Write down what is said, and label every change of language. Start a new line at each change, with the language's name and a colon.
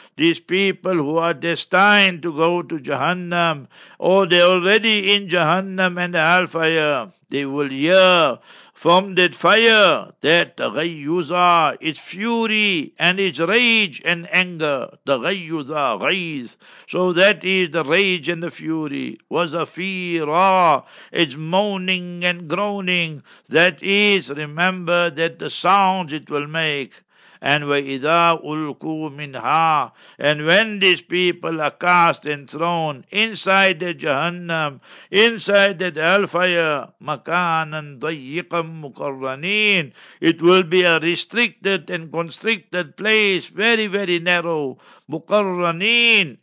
English: These people who are destined to go to Jahannam, or they're already in Jahannam and the hellfire, they will hear from that fire that the ghayyuza, its fury and its rage and anger, the ghayyuza, ghayz. So that is the rage and the fury. Was a fira, its moaning and groaning. That is, remember that the sounds it will make. And
Arabic: وَإِذَا أُلْقُوا مِنْهَا.
English: And when these people are cast and thrown inside the Jahannam, inside the hellfire,
Arabic: مَكَانًا ضَيِّقًا مُقَرَّنِينَ.
English: It will be a restricted and constricted place, very, very narrow.
Arabic: مقرنين.